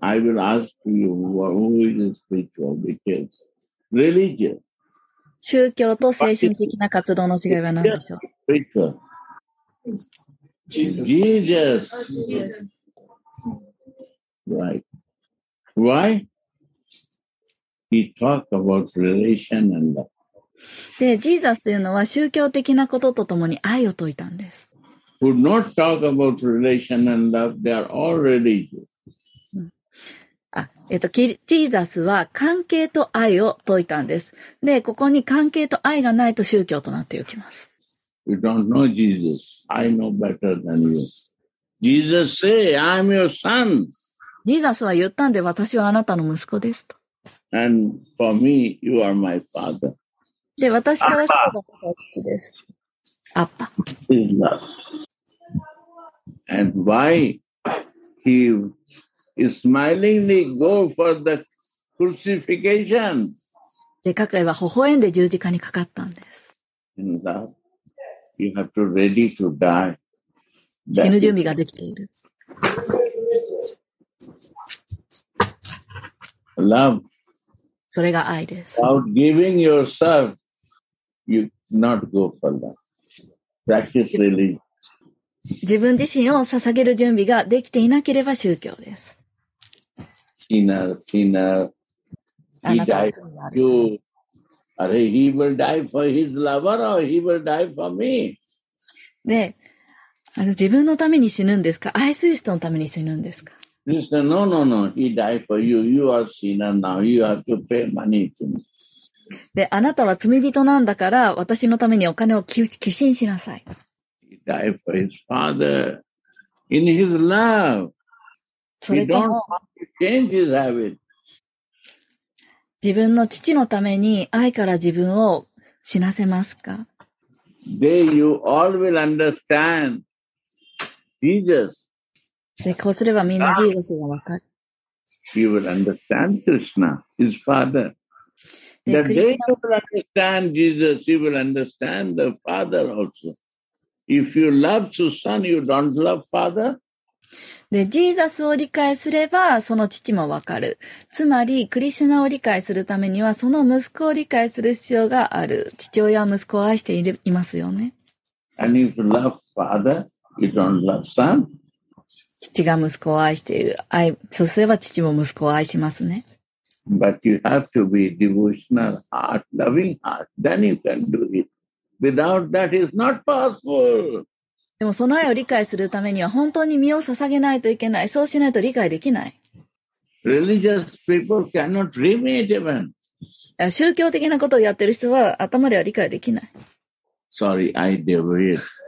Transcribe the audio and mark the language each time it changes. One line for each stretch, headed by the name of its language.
English: I will ask you who is spiritual because religious.
Japanese: 宗教と精神的な活動の違いは何でしょう
English: Spiritual. Jesus. Right. Why? He talk about relation and love.
Japanese: で、ジーザスというのは宗教的なことと共に愛を説いたんです。
English: Would not talk about relation and love. They are all religious.
Japanese: ジーザスは関係と愛を説いたんです。で、ここに関係と愛がないと宗教となっていきます。
English: You don't know Jesus. I know better than you. Jesus say, I'm your son.
Japanese: ジーザスは言ったんで、私はあなたの息子ですと。
English: And for me, you are my father.
Japanese: で、私からしたら私は父です。アッパ。
English: His love. And why he smilingly go for the crucifixion?
Japanese: で、かくいは微笑んで十字架にかかったんです。
English: In love, you have to ready to die.
Japanese: 死ぬ準備ができている。
English: Love.
Japanese: それが愛です。
English: Without giving yourself, you not go for that. Practice religion.
Japanese: 自分自身を捧げる準備ができていなければ宗教です。
English: Sinner, sinner. He died. You. Are he will die for his lover or he will die for me?
Japanese: で、あの、自分のために死ぬんですか、愛する人のために死ぬんですか。
English: Listen, no, no, no. He died for you. You are sinner now. You have to pay money to me.
Japanese: で、あなたは罪人なんだから、私のためにお金を寄進しなさい。
English: He died for his father in his love.
Japanese: それとも、
English: he don't want to change his habit.
Japanese: 自分の父のために愛から自分を死なせますか。
English: There you all will understand Jesus.
Japanese: で、こうすればみんなジーザスがわかる。
English: You will understand Krishna, his father. The day you will understand Jesus, you will understand the father also. If you love the son, you don't love father.
Japanese: で、ジーザスを理解すれば、その父もわかる。つまり、クリシュナを理解するためには、その息子を理解する必要がある。父親は息子を愛していますよね。
English: And if you love father, you don't love son.
Japanese: 父が息子を愛している。愛、そうすれば父も息子を愛しますね。
English: But you have to be devotional heart, loving heart. Then you can do it. Without that, it's not possible.
Japanese: でもその愛を理解するためには本当に身を捧げないといけない。そうしないと理解できない。
English: Religious people cannot dream it even.
Japanese: 宗教的なことをやってる人は頭では理解できない。
English: Sorry, I deviated.